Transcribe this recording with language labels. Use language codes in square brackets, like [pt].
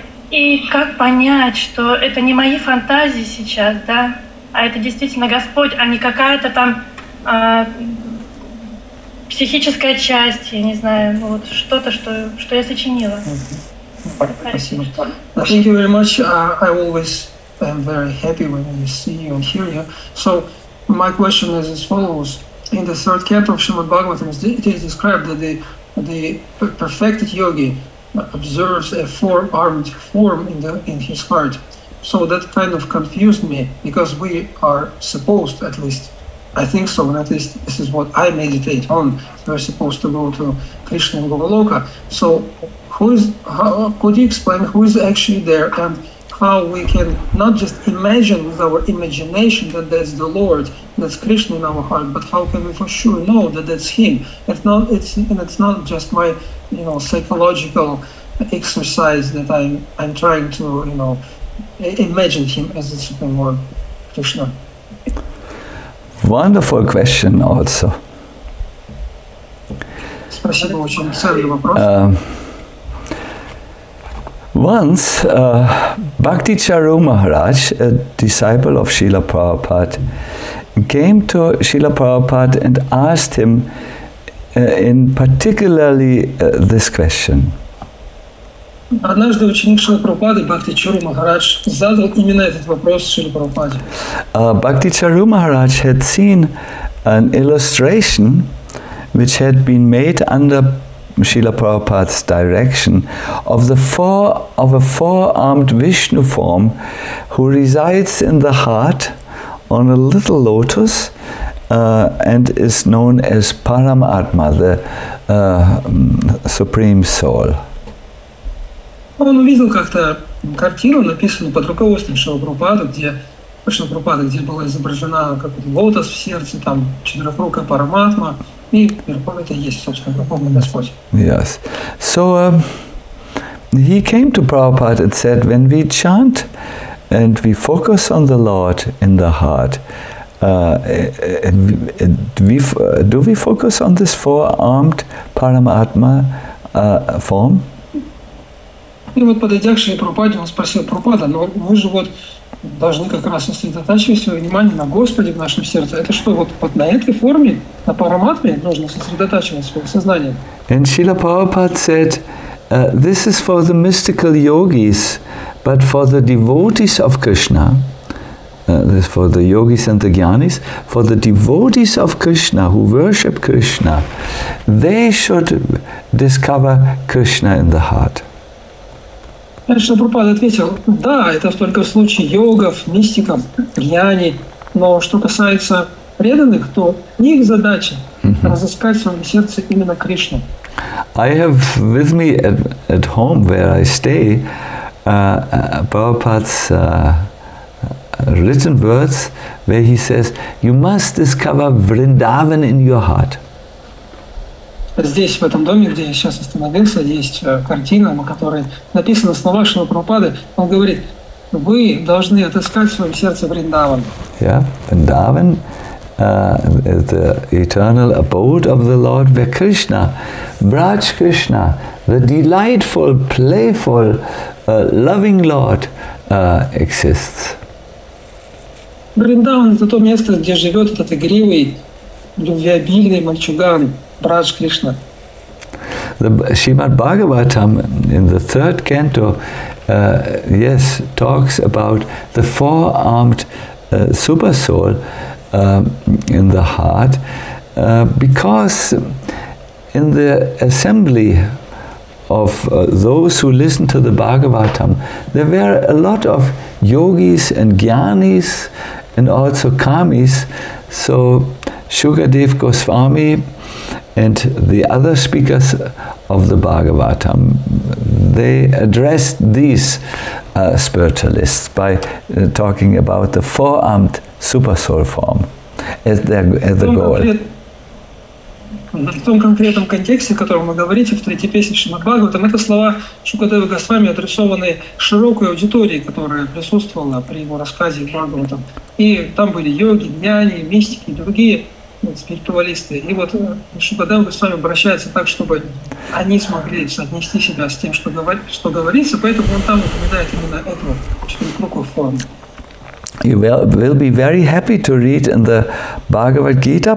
[ru] И как понять, что это не мои фантазии сейчас, да, а это действительно Господь, а не какая-то там психическая часть, я не знаю, вот что-то, что я сочинила. Спасибо. [en] Thank you very much. I always am very happy when I see you and hear you. So my question is as follows. In the third canto of Srimad Bhagavatam, it is described that the perfected yogi observes a four-armed form in his heart. So that kind of confused me, because we are supposed, at least, I think so, and at least this is what I meditate on. We're supposed to go to Krishna and Govaloka. So could you explain who is actually there and how we can not just imagine with our imagination that that's the Lord, that's Krishna in our heart, but how can we for sure know that that's Him? It's not just my, you know, psychological exercise that I'm trying to, you know, imagine Him as the Supreme Lord, Krishna. Wonderful question also. [ru] Спасибо, очень ценный вопрос. [en] Once, Bhakti Charu Maharaj, a disciple of Srila Prabhupada, came to Srila Prabhupada and asked him in particularly this question. [ru] Однажды ученик Шрила Прабхупады, Бхакти Чару Махарадж, задал именно этот вопрос Шриле Прабхупаде. [en] Бхакти Чару Махарадж had seen an illustration which had been made under Srila Prabhupada's direction of a four-armed Vishnu form who resides in the heart on a little lotus and is known as Paramatma, the Supreme Soul. [ru] Он увидел как-то картину, написанную под руководством Шрила Прабхупады, где была изображена какой-то лотос в сердце, там четырехрукая Параматма. [en] Yes. So he came to Prabhupada and said, when we chant and we focus on the Lord in the heart, do we focus on this four-armed Paramatma form? [ru] И вот подойдя к Шри Прабхупаде, он спросил Прабхупада, но мы же вот должны как раз сосредотачивать свое внимание на Господе в нашем сердце. Это что, вот на этой форме, на параматме, нужно сосредотачивать свое сознание? [en] And Srila Prabhupada said, this is for the mystical yogis, but for the devotees of Krishna, this is for the yogis and the jnanis, for the devotees of Krishna, who worship Krishna, they should discover Krishna in the heart. [ru] Шрила Прабхупада ответил, да, это только в случае йогов, мистиков, гьяни, но что касается преданных, то их задача разыскать в своем сердце именно Кришну. [en] I have with me at home where I stay Prabhupada's written words where he says, you must discover Vrindavan in your heart. [ru] Здесь, в этом доме, где я сейчас остановился, есть картина, на которой написано слова Шрилы Прабхупады. Он говорит, вы должны отыскать в своем сердце Вриндаван. [en] Yeah, Vrindavan is the eternal abode of the Lord, where Krishna, Braj Krishna, the delightful, playful, loving Lord exists. [ru] Вриндаван – это то место, где живет этот игривый, любвеобильный мальчуган. [en] The Srimad Bhagavatam in the third canto, yes, talks about the four-armed super soul in the heart, because in the assembly of those who listen to the Bhagavatam, there were a lot of yogis and jnanis and also kamis, so Shukadev Goswami and the other speakers of the Bhagavatam, they addressed these spiritualists by talking about the four-armed super soul form as their as the goal. [ru] В том конкретном контексте, о котором вы говорите, в третьей песне Шримад-Бхагаватам, это слова Шукадева Госвами, адресованные широкой аудитории, которая присутствовала при его рассказе Бхагаватам. И там были йоги, гьяни, мистики, другие спиритуалисты. И вот Шукадева Госвами обращается так, чтобы они смогли соотнести себя с тем, что, что говорится, поэтому он там упоминает именно эту четырехкругую форму. [en] You will be very happy to read in the Bhagavad Gita.